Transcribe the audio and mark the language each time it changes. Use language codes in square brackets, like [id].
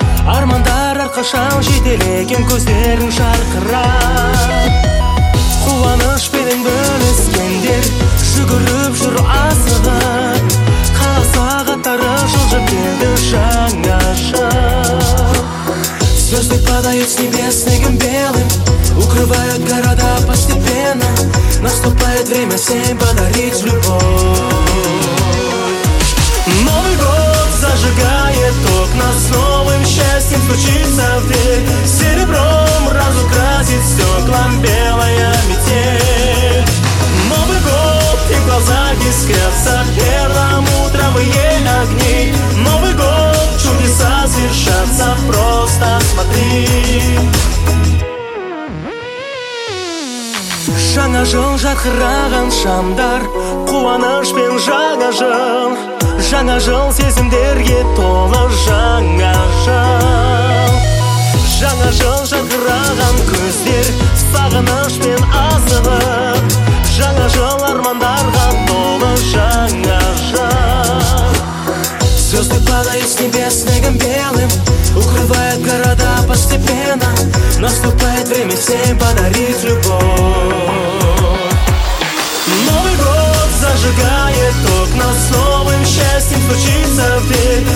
[kk] Армандар арқашан жетелеген көздерін шарқырар. Қуаныш пенен бөліскендер, жүгіріп жүр асыға. Қала сағаттары жылжып келді жаңаша. [ru] Звезды падают с небес снегом белым, укрывают города постепенно. Наступает время всем подарить любовь. Новый год зажигает окна, с новым счастьем стучится в дверь. Серебром разукрасит стеклам белая метель. Новый год и в глазах искрятся первым утром ее огни. Новый год чудеса свершатся, просто смотри. [kk] Жаңа жыл жарқыраған шамдар, қуаныш пен жаңа жыл. Жаңа жыл сезімдерге толы жаңа жыл. Жаңа жыл жарқыраған көздер, сағыныш пен асығы. Жаңа жыл армандарға толы жаңа жыл. [ru] Звезды падают с небес снегом белым, укрывают города постепенно. Наступает время всем подарить любовь. Новый год зажигает окна, с новым счастьем стучится в дверь.